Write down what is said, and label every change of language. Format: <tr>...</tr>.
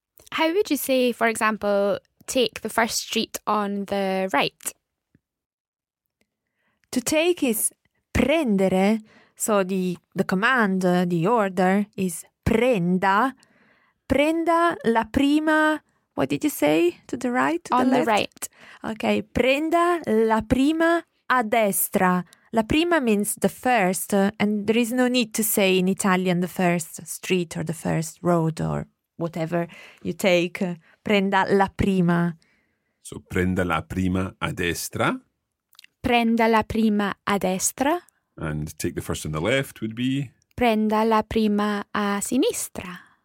<en>How would you say, for example, take the first street on the right? To take is prendere, so the command, the order is prenda.</en> <it>Prenda la prima,</it> <en>what did you say? To the right? To on the left? Right.</en> <it>Okay, prenda la prima a destra.</it> <en>La prima means the first, and there is no need to say in Italian the first street or the first road or whatever you take.</en> <it>Prenda la prima. So prenda la prima a destra. Prenda la prima a destra.</it> <en>And take the first on the left would be?</en> <it>Prenda la prima a sinistra.</it>